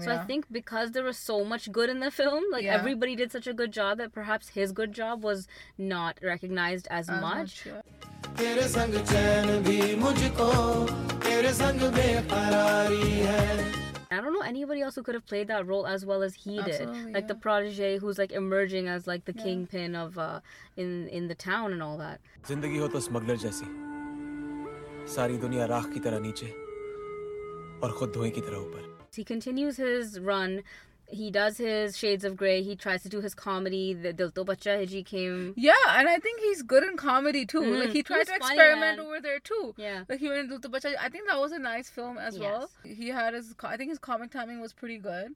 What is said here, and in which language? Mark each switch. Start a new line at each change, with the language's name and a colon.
English: So I think because there was so much good in the film, like, everybody did such a good job that perhaps his good job was not recognized as much. I don't know anybody else who could have played that role as well as he did. Absolutely, like the protege who's like emerging as like the kingpin of in the town and all that.
Hindi: ज़िंदगी हो तो smuggler जैसी. सारी दुनिया राख की तरह नीचे और ख़ुद धुएँ की तरह ऊपर.
English: He continues his run. He does his Shades of Grey. He tries to do his comedy. The Dil To Bachcha Hai Ji came. Yeah, and I think he's good in comedy too. Mm-hmm. Like he tries to experiment over there too. Yeah. Like he went in Dil To Bachcha Hai Ji. I think that was a nice film as well. He had his, I think his comic timing was pretty good.